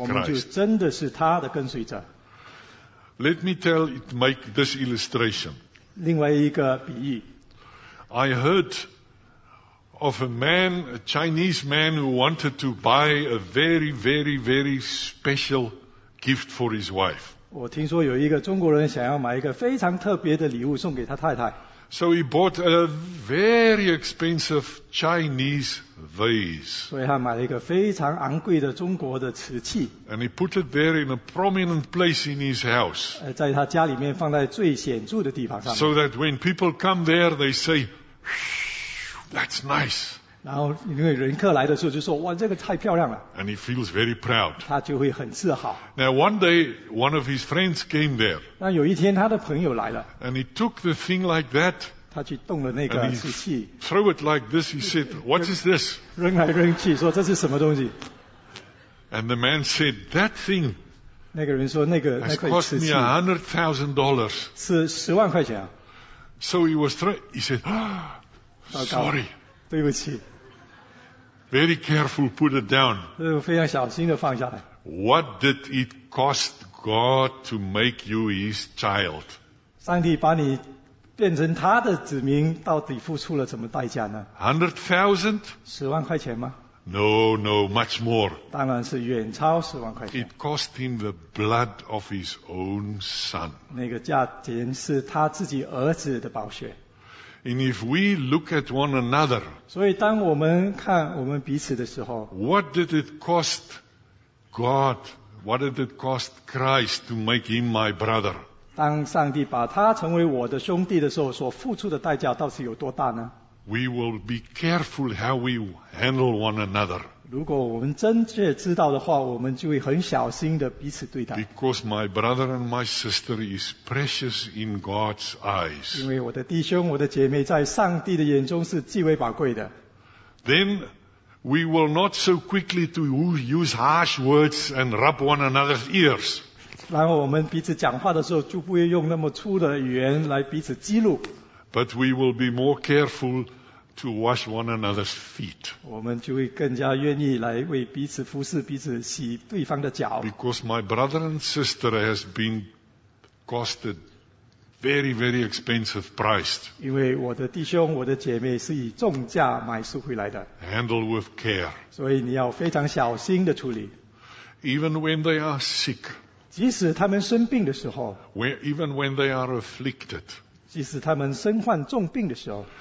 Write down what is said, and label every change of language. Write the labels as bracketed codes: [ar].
[zh] 我们就真的是他的跟随者。 [en] Let me tell it, make this illustration. [zh] 另外一个比喻。 [en] I heard of a man, a Chinese man, who wanted to buy a very, very, very special gift for his wife. [zh] 我听说有一个中国人想要买一个非常特别的礼物送给他太太。 [en] So he bought a very expensive Chinese vase. [zh] 所以他买了一个非常昂贵的中国的瓷器。 [en] And he put it there in a prominent place in his house. [zh] 在他家里面放在最显著的地方上面。 [en] So that when people come there, they say, "That's nice." [zh] 然后因为人客来的时候就说，哇，这个太漂亮了。 [en] And he feels very proud. [zh] 他就会很自豪。 [en] Now one day, one of his friends came there. [zh] 那有一天他的朋友来了。 [en] And he took the thing like that. [zh] 他去动了那个瓷器。 [en] Threw it like this, he said, "What is this?" [zh] 扔来扔去，说这是什么东西。 [en] And the man said, "That thing." [zh] 那个人说那个那块瓷器。 [en] Has cost me $100,000. [zh] 是十万块钱啊。 [en] So he was trying. He said, "Sorry." [zh] 对不起。 [en] Very careful, put it down. [zh] 非常小心地放下来。 [en] What did it cost God to make you His child? [zh] 上帝把你变成他的子民，到底付出了什么代价呢？ [en] 100,000? [zh] 十万块钱吗？ [en] No, no, much more. [zh] 当然是远超十万块钱。 [en] It cost Him the blood of His own Son. [zh] 那个价钱是他自己儿子的宝血。 [en] And if we look at one another, [zh] 所以当我们看我们彼此的时候， [en] what did it cost God? What did it cost Christ to make Him my brother? [zh] 当上帝把他成为我的兄弟的时候，所付出的代价到底有多大呢？ [en] We will be careful how we handle one another. [zh] 如果我们真切知道的话，我们就会很小心的彼此对待。 [en] Because my brother and my sister is precious in God's eyes. [zh] 因为我的弟兄、我的姐妹在上帝的眼中是极为宝贵的。 [en] Then we will not so quickly to use harsh words and rub one another's ears. [zh] 然后我们彼此讲话的时候就不会用那么粗的语言来彼此激怒。 [en] But we will be more careful to wash one another's feet. [zh] 我们就会更加愿意来为彼此服侍，彼此洗对方的脚。 [en] Because my brother and sister has been costed very, very expensive priced. [zh] 因为我的弟兄、我的姐妹是以重价买赎回来的。 [en] Handle with care. [zh] 所以你要非常小心的处理。 [en] Even when they are sick. [zh] 即使他们生病的时候。 [en] Even when they are afflicted. [zh] 即使他们身患重病的时候，